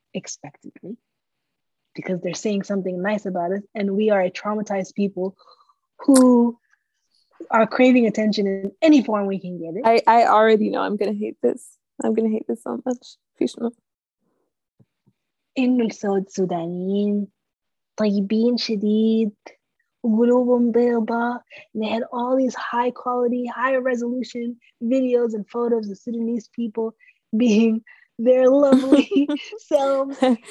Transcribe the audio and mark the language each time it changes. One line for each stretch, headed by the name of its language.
English: expectantly because they're saying something nice about us, and we are a traumatized people who are craving attention in any form we can get it. I already know I'm gonna hate this. I'm gonna hate this so much.
Arabic: إن السود سودانيين طيبين شديد وقلوبهم بيضاء.
English: They had all these high quality, high resolution videos and photos of Sudanese people being their lovely selves.